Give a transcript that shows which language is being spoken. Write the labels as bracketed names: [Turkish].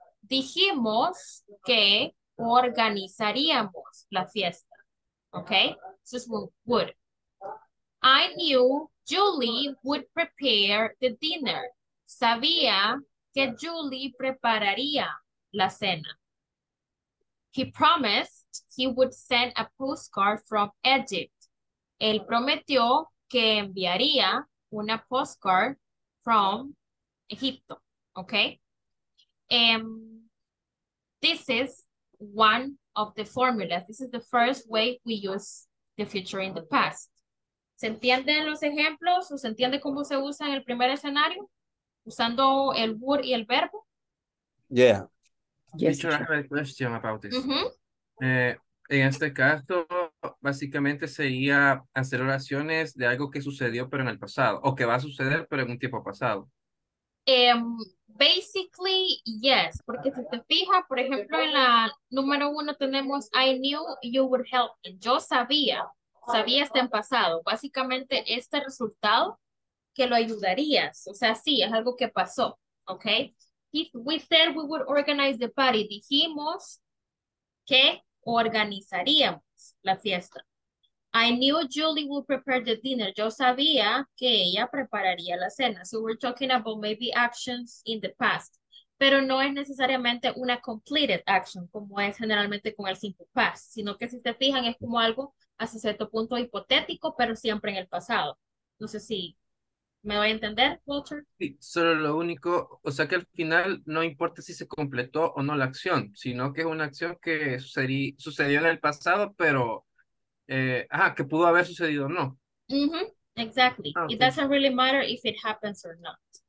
[Spanish] Dijimos que organizaríamos la fiesta. [English] Okay? So this would. I knew Julie would prepare the dinner. [Spanish] Sabía que Julie prepararía la cena. [English] He promised he would send a postcard from Egypt. [Spanish] Él prometió que enviaría una [English] postcard from [Spanish] Egipto. [English] Okay? This is one of the formulas. This is the first way we use the future in the past. [Spanish] ¿Se entienden los ejemplos? ¿O se entiende cómo se usa en el primer escenario? Usando el would y el verbo. [English] Yeah. Yes, teacher, I have a question about this. Uh-huh. [Spanish] En este caso, básicamente sería hacer oraciones de algo que sucedió pero en el pasado. O que va a suceder pero en un tiempo pasado. [English] Basically, yes, [Spanish] porque si te fijas, por ejemplo, en la número uno tenemos [English] I knew you would help me. [Spanish] Yo sabía, está en pasado. Básicamente, este resultado que lo ayudarías. O sea, sí, es algo que pasó, ¿ok? [English] We said we would organize the party. [Spanish] Dijimos que organizaríamos la fiesta. [English] I knew Julie would prepare the dinner. [Spanish] Yo sabía que ella prepararía la cena. [English] So we're talking about maybe actions in the past. [Spanish] Pero no es necesariamente una [English] completed action, [Spanish] como es generalmente con el simple past. Sino que si te fijan, es como algo hasta cierto punto hipotético, pero siempre en el pasado. No sé si ¿Me voy a entender, Walter? Sí, solo lo único, o sea que al final no importa si se completó o no la acción, sino que es una acción que sucedió en el pasado, pero que pudo haber sucedido o no. [English] Mm-hmm. Exactly. Okay. It doesn't really matter if it happens or not.